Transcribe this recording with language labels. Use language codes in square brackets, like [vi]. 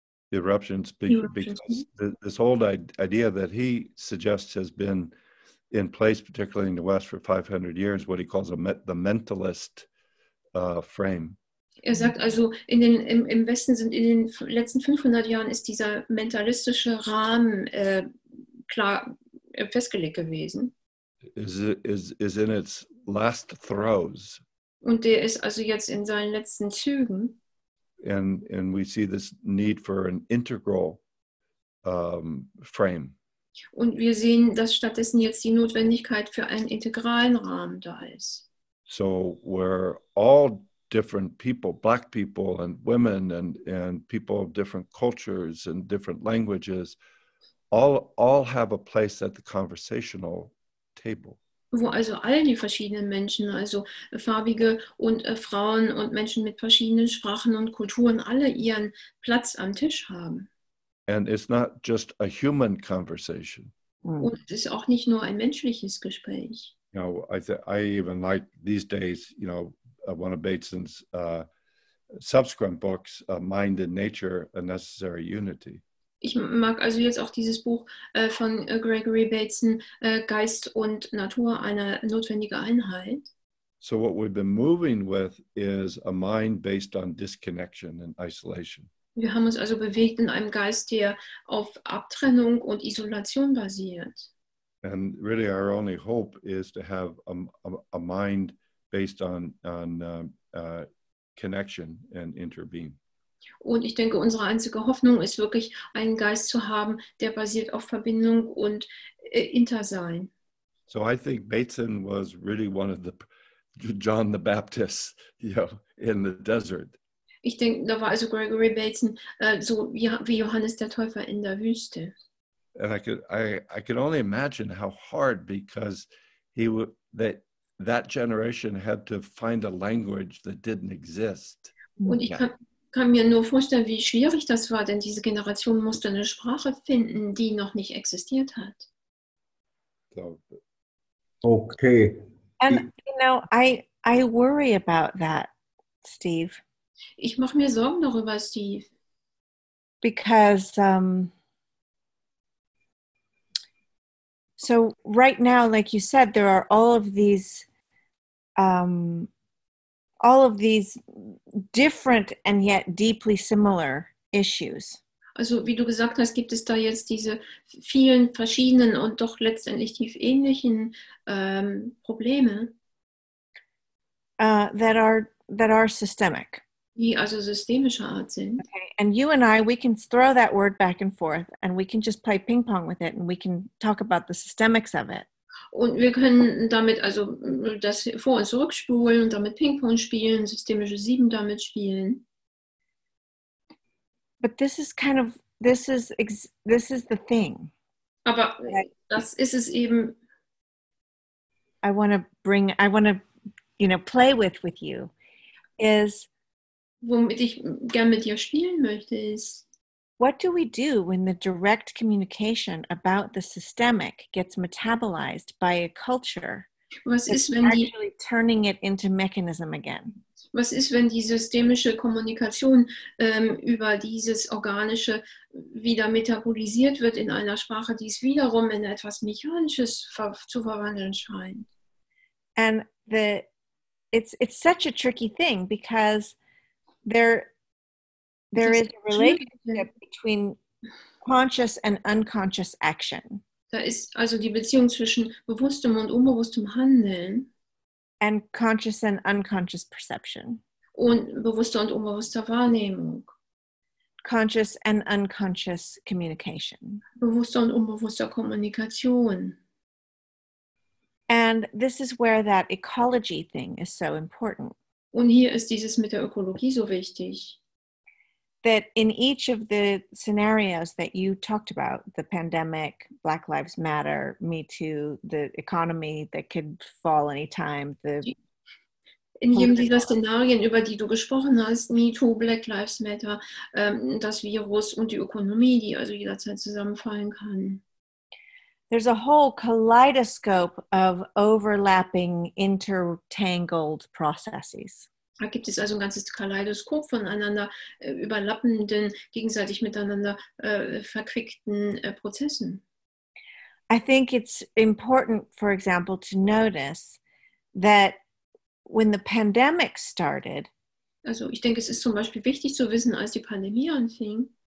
[en] Eruptions, because this old idea that he suggests has been in place, particularly in the West for 500 years, what he calls the mentalist frame. [de] Er sagt also, im Westen sind in den letzten 500 Jahren ist dieser mentalistische Rahmen klar festgelegt gewesen. [en] Is in its last throes. [de] Und der ist also jetzt in seinen letzten Zügen. [en] And we see this need for an integral frame. [de] Und wir sehen, dass stattdessen jetzt die Notwendigkeit für einen integralen Rahmen da ist. [en] So we're all different people, black people and women and people of different cultures and different languages, all have a place at the conversational table. [de] wo also all die verschiedenen Menschen, also Farbige und Frauen und Menschen mit verschiedenen Sprachen und Kulturen, alle ihren Platz am Tisch haben. [en] And it's not just a human conversation. [de] Und es ist auch nicht nur ein menschliches Gespräch. [en] You know, I even like these days, you know, one of Bateson's subsequent books, Mind and Nature, A Necessary Unity. [de] Ich mag also jetzt auch dieses Buch von Gregory Bateson, Geist und Natur, eine notwendige Einheit. [en] So what we've been moving with is a mind based on disconnection and isolation. [de] Wir haben uns also bewegt in einem Geist, der auf Abtrennung und Isolation basiert. [en] And really our only hope is to have a mind based connection and interbeing. [de] Und ich denke, unsere einzige Hoffnung ist wirklich, einen Geist zu haben, der basiert auf Verbindung und Intersein. [en] So I think Bateson was really one of the John the Baptist, you know, in the desert. [de] Ich denke, da war also Gregory Bateson so wie Johannes der Täufer in der Wüste. [en] And I could only imagine how hard, because that generation had to find a language that didn't exist. [de] Und ich kann mir nur vorstellen, wie schwierig das war, denn diese Generation musste eine Sprache finden, die noch nicht existiert hat. [en] Okay. And you know, I worry about that, Steve. [de] Ich mache mir Sorgen darüber, Steve. [en] Because so right now, like you said, there are all of these different and yet deeply similar issues. [de] Also, wie du gesagt hast, gibt es da jetzt diese vielen verschiedenen und doch letztendlich tief ähnlichen Probleme, [en] that are systemic. [de] Die also systemischer Art sind. [en] Okay. And you and I, we can throw that word back and forth, and we can just play ping pong with it, and we can talk about the systemics of it. [de] Und wir können damit also das vor und zurückspulen und damit Ping-Pong spielen, systemische Sieben damit spielen. [en] But this is kind of, this is the thing. [de] Aber das ist es eben. [en] I want to, you know, play with you, is. [de] Womit ich gern mit dir spielen möchte, ist. [en] What do we do when the direct communication about the systemic gets metabolized by a culture? [de] Was ist, wenn [en] actually turning it into mechanism again? [de] Was ist, wenn die systemische Kommunikation über dieses Organische wieder metabolisiert wird in einer Sprache, die es wiederum in etwas Mechanisches zu verwandeln scheint? [en] And it's such a tricky thing, because there is a relationship between conscious and unconscious action. [de] Da ist also die Beziehung zwischen bewusstem und unbewusstem Handeln. [en] And conscious and unconscious perception. [de] Und bewusster und unbewusster Wahrnehmung. [en] Conscious and unconscious communication. [de] Bewusster und unbewusster Kommunikation. [en] And this is where that ecology thing is so important. [de] Und hier ist dieses mit der Ökologie so wichtig. [en] That in each of the scenarios that you talked about, the pandemic, Black Lives Matter, Me Too, the economy that could fall anytime, [de] in jedem dieser Szenarien, über die du gesprochen hast, Me Too, Black Lives Matter, das Virus und die Ökonomie, die also jederzeit zusammenfallen kann. [en] There's a whole kaleidoscope of overlapping, intertangled processes. [de] Da gibt es also ein ganzes Kaleidoskop von einander überlappenden, gegenseitig miteinander verquickten Prozessen. [en] I think it's important, for example, to notice that when the pandemic started. [de] Also ich denke, es ist zum Beispiel wichtig zu wissen, als die Pandemie anfing.